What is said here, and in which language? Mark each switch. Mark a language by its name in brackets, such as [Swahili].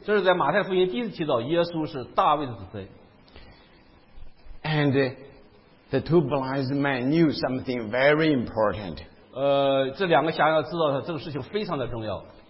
[Chinese] 这是在马太福音第一次提到耶稣是大卫的子孙。 [English] And the two blind men knew something very important. [Chinese] 这两个瞎子知道这个事情非常的重要。